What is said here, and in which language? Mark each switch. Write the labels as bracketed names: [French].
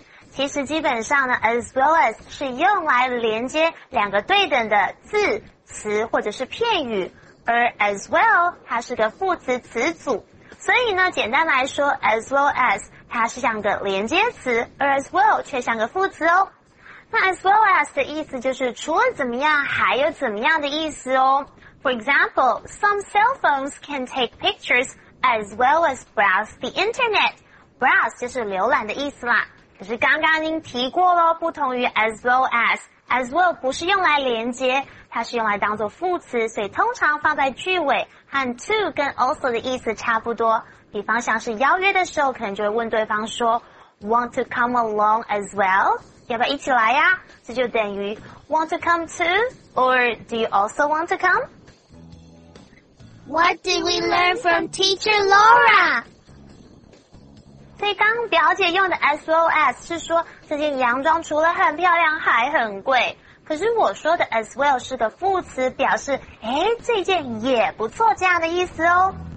[Chinese] 其实基本上呢 as well as 是用来连接两个对等的字、词或者是片语，而 as well 它是个副词词组，所以呢简单来说 as well as 它是像个连接词，而 as well 却像个副词哦。那 as well as 的意思就是除了怎么样还有怎么样的意思哦。 [English] For example, some cell phones can take pictures as well as browse the internet. [Chinese] Browse 就是浏览的意思啦。可是刚刚您提过咯，不同于 as well as， as well 不是用来连接，它是用来当作副词，所以通常放在句尾，和 to 跟 also 的意思差不多。比方像是邀约的时候，可能就会问对方说 [English] Want to come along as well? [Chinese] 要不要一起来呀？ [English] 这就等于 Want to come too? Or do you also want to come? What did we learn from teacher Laura? [Chinese] 所以刚表姐用的 as well as 是说这件洋装除了很漂亮还很贵，可是我说的 as well 是个副词，表示这件也不错这样的意思哦。